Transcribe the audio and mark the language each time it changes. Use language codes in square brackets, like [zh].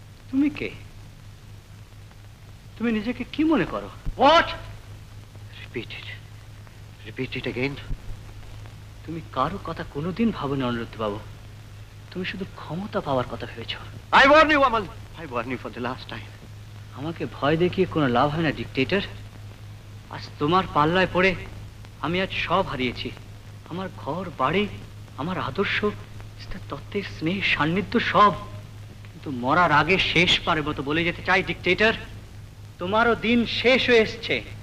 [bn] তুমি কে? তুমি নিজেকে কি মনে করো? [en] What? Repeat it again. [bn] তুমি কারো কথা কোনোদিন ভাবনি অনুরোধ বাবু, তুমি শুধু ক্ষমতা পাওয়ার কথা ভেবেছো। [en] I warn you for the last time. [bn] আমাকে ভয় দেখিয়ে কোনো লাভ হয় না ডিক্টেটর। আজ তোমার পাল্লায় পড়ে আমি আজ সব হারিয়েছি। আমার ঘর বাড়ি, আমার আদর্শ, তত্ত্বের স্নেহ সান্নিধ্য সব, কিন্তু মরার আগে শেষবার মতো বলে যেতে চাই ডিক্টেটর, তোমারও দিন শেষ হয়ে এসছে।